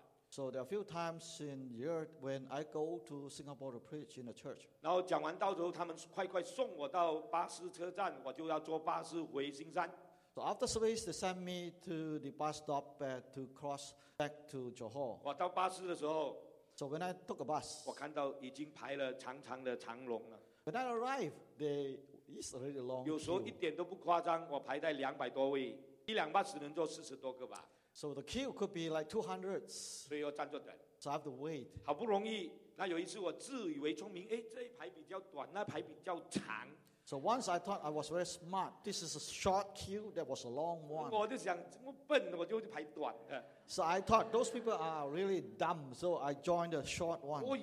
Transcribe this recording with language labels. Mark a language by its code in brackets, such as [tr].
[en] So there are a few times in a year when I go to Singapore to preach in the church. [zh] 然后讲完到时候，他们快快送我到巴士车站，我就要坐巴士回新山。 [en] So after service, they send me to the bus stop to cross back to Johor. [zh] 我到巴士的时候， [en] So when I took a bus, [zh] 我看到已经排了长长的长龙了。 [en] When I arrive, they is already long. [zh] 有时候一点都不夸张，我排在200多位，一辆巴士能坐40多个吧。 [en] So the queue could be like 200. [zh] 所以要站着等。 [en] So I have to wait. [zh] 好不容易，那有一次我自以为聪明，哎，这一排比较短，那排比较长。 [en] So once I thought I was very smart. This is a short queue. That was a long one. [zh] 我就想，我笨，我就排短的。 [en] So I thought those people are really dumb. So I joined the short one.